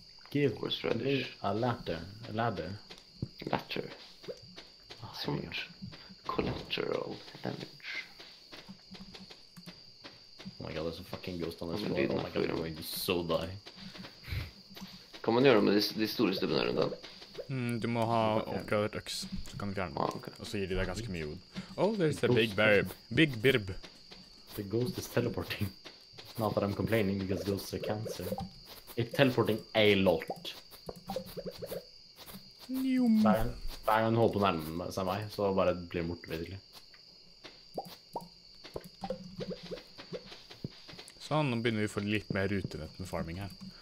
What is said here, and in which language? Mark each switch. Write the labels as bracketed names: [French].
[English] Give me a ladder. A ladder. Ladder. So much. Collateral damage. Oh my god, there's a fucking ghost on this floor. Oh my god, I'm going to so die. [Norwegian] Kan man gjøre det med de store stubbene rundt den? Du må ha oppgradert øks, så kan du fjerne den. Og så gir de deg ganske mye wood. [English] Oh, there's a big barb. Big birb. The ghost is teleporting. Not that I'm complaining because ghosts are cancer. It's teleporting a lot. [Norwegian] Hver gang du holder på å nærme seg meg, så bare blir det borte videre. Sånn, nå begynner vi å få litt mer rutenett med farming her.